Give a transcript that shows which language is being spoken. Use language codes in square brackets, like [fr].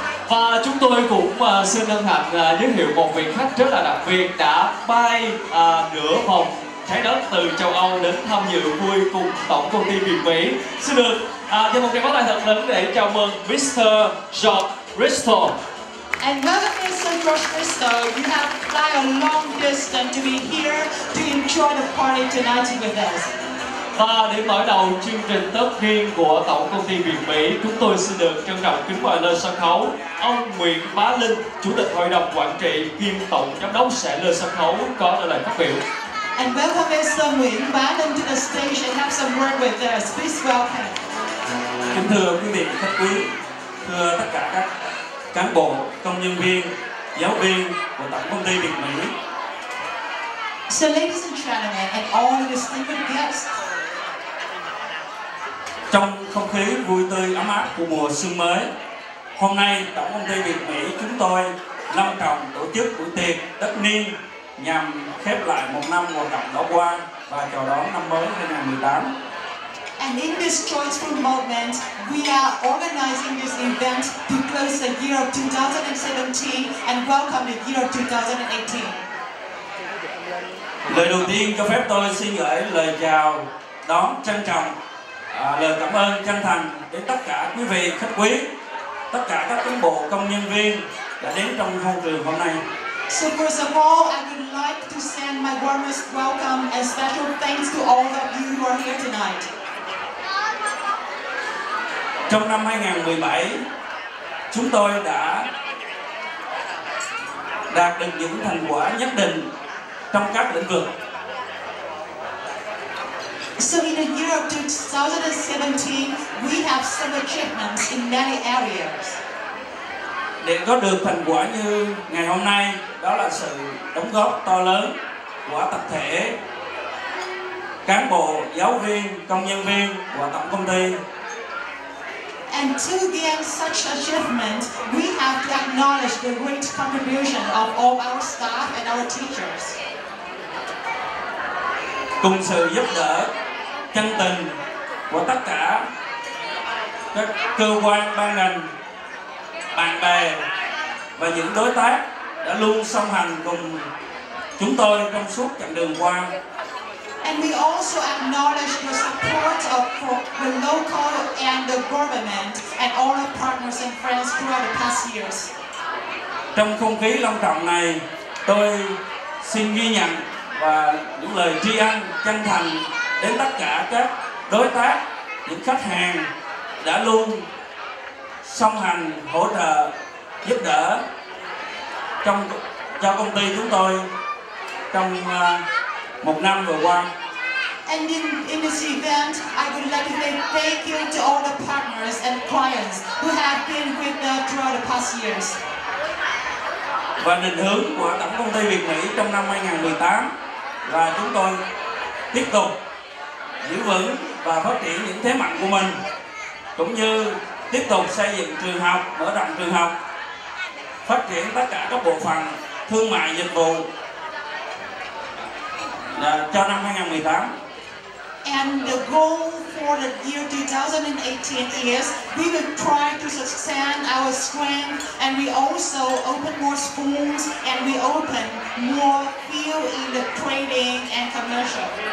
[vi] Và chúng tôi cũng xin hân hạnh giới thiệu một vị khách rất là đặc biệt đã bay nửa vòng trái đất từ châu Âu đến tham dự vui cùng tổng công ty Việt Mỹ. Xin được cho một tràng pháo tay thật lớn để chào mừng Mr. George Risto. [en] And welcome Mr. George Risto. You have fly a long distance to be here to enjoy the party tonight with us. [vi] Và để mở đầu chương trình tất niên của Tổng Công ty Việt Mỹ, chúng tôi xin được trân trọng kính mời lên sân khấu ông Nguyễn Bá Linh, Chủ tịch Hội đồng Quản trị kiêm Tổng Giám đốc sẽ lên sân khấu có lời phát biểu. [en] And welcome Mr. Nguyễn Bá Linh to the stage and have some word with us. Please welcome. [vi] Kính thưa quý vị khách quý, thưa tất cả các cán bộ, công nhân viên, giáo viên của Tổng Công ty Việt Mỹ. [en] So ladies and gentlemen and all the distinguished guests, [vi] trong không khí vui tươi ấm áp của mùa xuân mới, hôm nay Tổng Công ty Việt Mỹ chúng tôi long trọng tổ chức buổi tiệc tất niên nhằm khép lại một năm hoạt động đã qua và chào đón năm mới 2018. [en] And in this joyful moment, we are organizing this event to close the year of 2017 and welcome the year of 2018. [vi] Lời đầu tiên cho phép tôi xin gửi lời chào đón trân trọng, lời cảm ơn chân thành đến tất cả quý vị khách quý, tất cả các cán bộ công nhân viên đã đến trong hội trường hôm nay. [en] So first of all, I would like to send my warmest welcome and special thanks to all of you who are here tonight. [vi] Trong năm 2017, chúng tôi đã đạt được những thành quả nhất định trong các lĩnh vực. [en] So in the year of 2017, we have some achievements in many areas. [vi] Để có được thành quả như ngày hôm nay, đó là sự đóng góp to lớn của tập thể, cán bộ, giáo viên, công nhân viên của tổng công ty. [en] And to gain such achievements, we have to acknowledge the great contribution of all our staff and our teachers. [vi] Cùng sự giúp đỡ chân tình của tất cả các cơ quan ban ngành, bạn bè và những đối tác đã luôn song hành cùng chúng tôi trong suốt chặng đường qua. [en] And we also acknowledge the support of the local and the government and all our partners and friends throughout the past years. [vi] Trong không khí long trọng này, tôi xin ghi nhận và những lời tri ân chân thành đến tất cả các đối tác, những khách hàng đã luôn song hành, hỗ trợ, giúp đỡ cho công ty chúng tôi trong một năm vừa qua. [en] And in this event, I would like to say thank you to all the partners and clients who have been with us throughout the past years. [vi] Và định hướng của Tổng Công ty Việt Mỹ trong năm 2018 là chúng tôi tiếp tục giữ vững và phát triển những thế mạnh của mình, cũng như tiếp tục xây dựng trường học, mở rộng trường học, phát triển tất cả các bộ phận thương mại dịch vụ cho năm 2018. [en] And the goal for the year 2018 is we will try to expand our strength and we also open more schools and we open more field in the trading and commercial.